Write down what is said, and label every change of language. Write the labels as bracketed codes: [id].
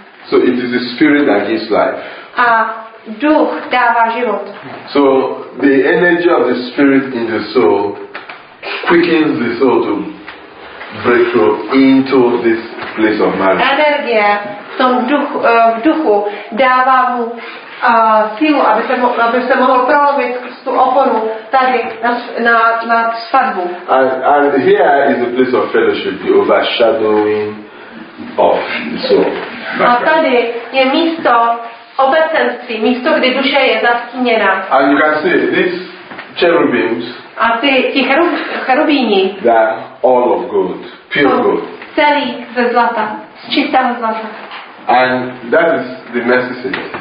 [en] So it is the spirit that gives life. [cs] A duch dává život. [en] So the energy of the spirit in the soul quickens the soul to break through into this place of marriage. [cs] Energie v duchu dává mu sílu, aby se mohl prolomit tu oponu tady na svatbu. [en] And here is the place of fellowship, the overshadowing of the soul. [cs] A tady je místo obecenství, místo, kde duše je zastíněna. [en] And you can see these cherubims. [cs] A ty cherubíni. [en] They're all of gold, pure gold. [cs] Celý ze zlata, z čistého zlata. [en] And that is the mercy seat.